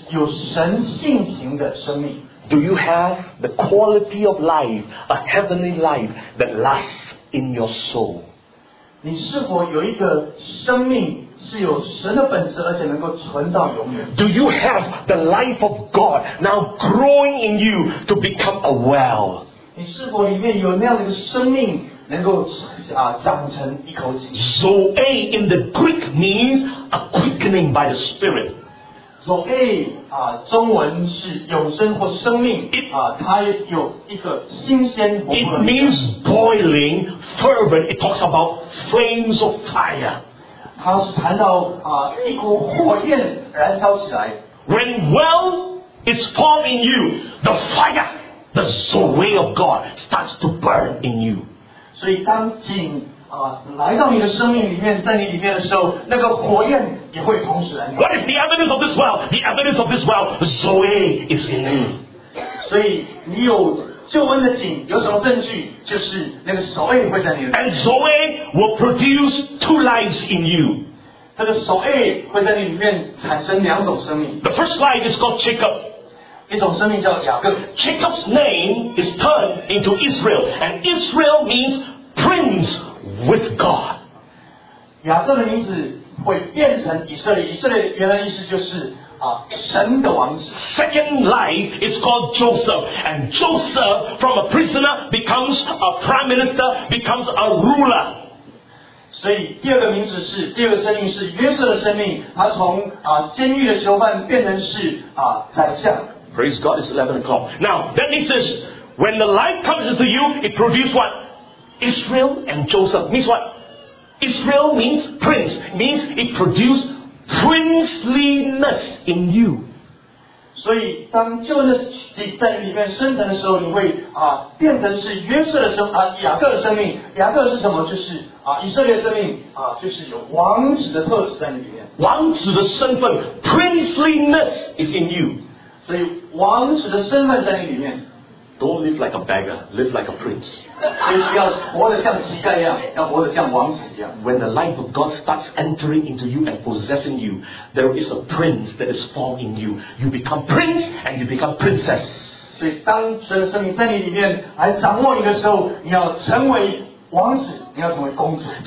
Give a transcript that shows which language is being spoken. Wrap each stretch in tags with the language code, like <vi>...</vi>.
<zh>这个走A就是有神性情的生命。</zh> <en>Do you have the quality of life, a heavenly life that lasts in your soul?</en> <zh>你是否有一个生命是有神的本质，而且能够存到永远？</zh> <en>Do you have the life of God now growing in you to become a well?</en> <zh>你是否里面有那样的生命？能够长成一口井。</zh> <en>Zoe in the Greek means a quickening by the Spirit.</en> <zh>所谓啊，中文是永生或生命啊，它有一个新鲜</zh> <en>不。It means boiling fervent. It talks about flames of fire.</en> <zh>它是谈到啊，一股火焰燃烧起来。</zh> <en>When well is formed in you, the fire, the Zoe of God, starts to burn in you.</en> <zh>所以当井啊来到你的生命里面，在你里面的时候，那个火焰也会同时燃烧。 What is the evidence of this well? The evidence of this well, Zoe is in you. 所以你有救恩的井，有什么证据？就是那个Zoe会在你的里面。</zh> <en>And Zoe will produce two lives in you.</en> <zh>这个手 A 会在你里面产生两种生命。</zh> <en>The first life is called Jacob.</en> <zh>一种生命叫雅各。</zh> <en>Jacob's name is turned into Israel, and Israel means prince with God.</en> <zh>雅各的名字会变成以色列，以色列原来意思就是啊神的王子。</zh> <en>Second life is called Joseph, and Joseph from a prisoner becomes a prime minister, becomes a ruler.</en> <zh>所以第二个名字是第二个生命是约瑟的生命，他从啊监狱的囚犯变成是啊宰相。</zh> <en>Praise God, it's 11 o'clock. Now that means this, when the life comes into you, it produces what? Israel and Joseph means what? Israel means prince, means it produces princeliness in you.</en> <zh>所以当救恩的井在里面生成的时候，你会啊变成是约瑟的生啊雅各的生命。雅各是什么？就是。啊、以色列生命、啊、就是有王子的特质在里面，王子的身份 princeliness is in you，所以王子的身份在你里面。</zh> <en>Don't live like a beggar, live like a prince，</en> <zh>所以要活得像乞丐一样，要活得像王子一样。</zh> <en>When the life of God starts entering into you and possessing you, there is a prince that is formed in you. You become prince and you become princess。</en> <zh>所以当神的生命在你里面来掌握你的时候，你要成为王子，你要成为公主。</zh>